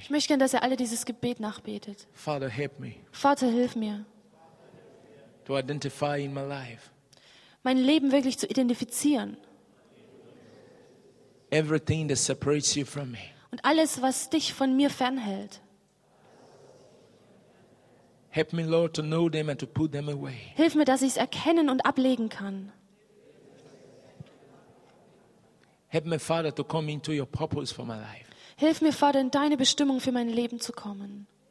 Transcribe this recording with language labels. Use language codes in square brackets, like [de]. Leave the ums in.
[de] Ich möchte gern, dass ihr alle dieses Gebet nachbetet. [en] Father, help me. [de] Vater, hilf mir. [en] To identify in my life. [de] Mein Leben wirklich zu identifizieren. [en] Everything that separates you from me. [de] Und alles, was dich von mir fernhält. [en] Help me, Lord, to know them and to put them away. [de] Hilf mir, dass ich es erkennen und ablegen kann. [en] Help me, Father, to come into your purpose for my life. [de] Hilf mir, Vater, in deine Bestimmung für mein Leben zu kommen.